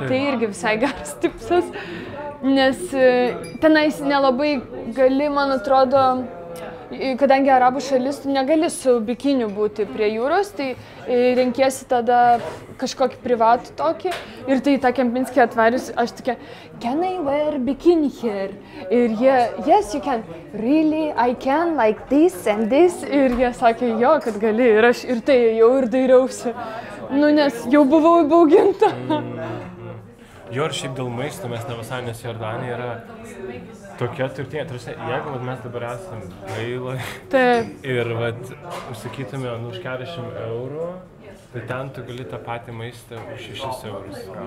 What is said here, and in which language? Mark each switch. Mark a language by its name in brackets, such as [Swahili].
[Lithuanian] Tai irgi visai geras tipsas. Nes tenais nelabai gali, man atrodo, kadangi arabų šalis, tu negali su bikiniu būti prie jūros, tai renkiesi tada kažkokį privatų tokį. Ir tai tą Kempinskį atvarius, aš tokia, [English] can I wear bikini here? [Lithuanian] Ir jie, [English] yes, you can, really, I can, like this and this. [Lithuanian] Ir jie sakė, jo, kad gali, ir aš ir tai jau ir dairiausi. Nu, nes jau buvau įbauginta. Jo, ir šiaip dėl maisto mes nevasai, nes Jordanija yra tokia turtinė. Tarsi, jeigu vat, mes dabar esam gailai ir vat, užsakytume nu, už 40 eurų, tai ten tu gali tą patį maistą už 6 eurus.